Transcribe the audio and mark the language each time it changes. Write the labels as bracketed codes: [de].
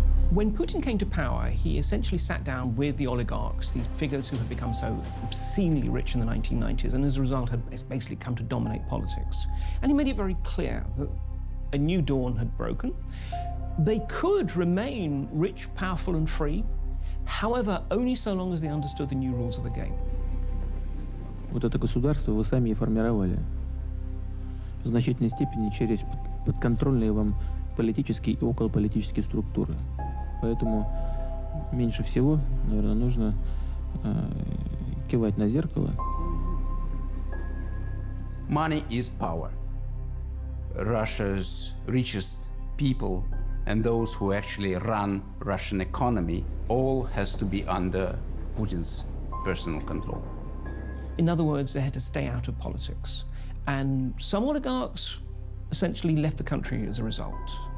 [en] When Putin came to power, he essentially sat down with the oligarchs, these figures who had become so obscenely rich in the 1990s, and as a result had basically come to dominate politics. And he made it very clear that a new dawn had broken. They could remain rich, powerful, and free, however, only so long as they understood the new rules of the game. [ru] Вот это государство вы сами и формировали в значительной степени через подконтрольные вам политические и околополитические структуры. Поэтому меньше всего, наверное, нужно кивать на зеркало. [en] Money is power. Russia's richest people and those who actually run Russian economy all has to be under Putin's personal control. In other words, they had to stay out of politics. And some oligarchs essentially left the country as a result.